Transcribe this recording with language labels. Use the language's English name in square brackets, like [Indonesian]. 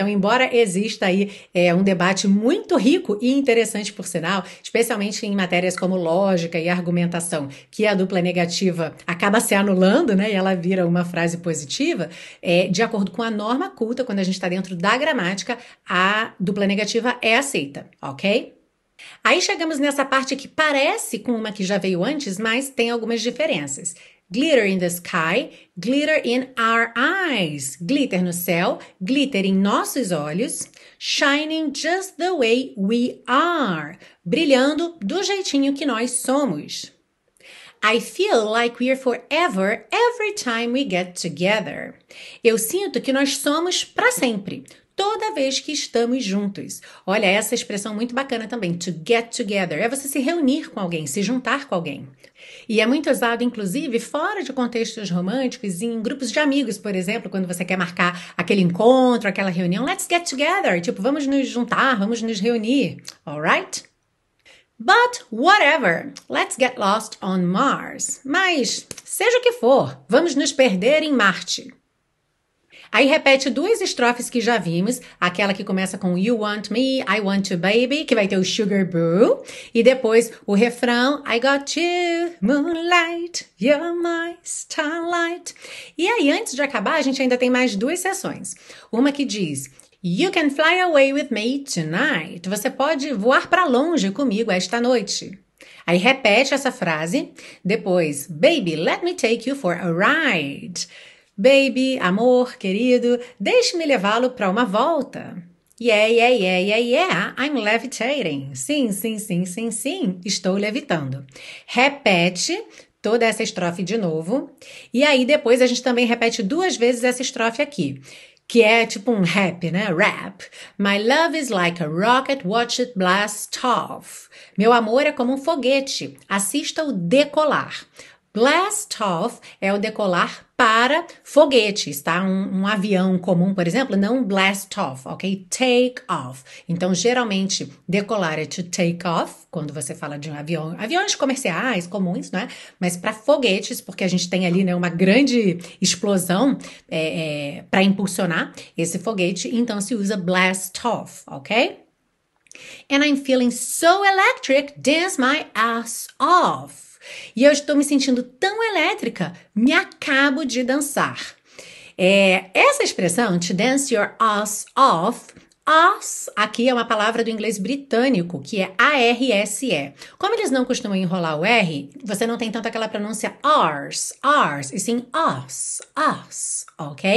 [Portuguese] Então, embora exista aí um debate muito rico e interessante, por sinal, especialmente em matérias como lógica e argumentação, que a dupla negativa acaba se anulando, né? E ela vira uma frase positiva, de acordo com a norma culta, quando a gente está dentro da gramática, a dupla negativa é aceita, ok? Aí chegamos nessa parte que parece com uma que já veio antes, mas tem algumas diferenças. [English] Glitter in the sky, glitter in our eyes. [Portuguese] Glitter no céu, glitter em nossos olhos. [English] Shining just the way we are. [Portuguese] Brilhando do jeitinho que nós somos. [English] I feel like we're forever every time we get together. [Portuguese] Eu sinto que nós somos para sempre, toda vez que estamos juntos. Olha, essa expressão muito bacana também, [English] to get together. [Portuguese] É você se reunir com alguém, se juntar com alguém. E é muito usado, inclusive, fora de contextos românticos, em grupos de amigos, por exemplo, quando você quer marcar aquele encontro, aquela reunião. [English] Let's get together. [Portuguese] Tipo, vamos nos juntar, vamos nos reunir. [English] All right? But whatever, let's get lost on Mars. [Portuguese] Mas, seja o que for, vamos nos perder em Marte. Aí repete duas estrofes que já vimos, aquela que começa com [English] You want me, I want you baby, [Portuguese] que vai ter o Sugar Boo. E depois o refrão, [English] I got you, moonlight, you're my starlight. [Portuguese] E aí, antes de acabar, a gente ainda tem mais duas sessões. Uma que diz, [English] You can fly away with me tonight. [Portuguese] Você pode voar para longe comigo esta noite. Aí repete essa frase. Depois, [English] baby, let me take you for a ride. [Portuguese] Baby, amor, querido, deixe-me levá-lo para uma volta. [English] Yeah, I'm levitating. [Portuguese] Sim, estou levitando. Repete toda essa estrofe de novo. E aí depois a gente também repete duas vezes essa estrofe aqui. Que é tipo um rap, né? Rap. [English] My love is like a rocket, watch it blast off. [Portuguese] Meu amor é como um foguete, assista-o decolar. Blast off é o decolar para foguetes, tá? Um avião comum, por exemplo, não blast off, ok? Take off. Então, geralmente, decolar é to take off, quando você fala de um avião. Aviões comerciais, comuns, né? Mas para foguetes, porque a gente tem ali, né, uma grande explosão para impulsionar esse foguete, então se usa blast off, ok? [English] And I'm feeling so electric, dance my ass off. [Portuguese] E eu estou me sentindo tão elétrica, me acabo de dançar. Essa expressão, [English] to dance your ass off, [Portuguese] ass aqui é uma palavra do inglês britânico, que é A-R-S-E. Como eles não costumam enrolar o R, você não tem tanto aquela pronúncia ars, e sim ass, ok?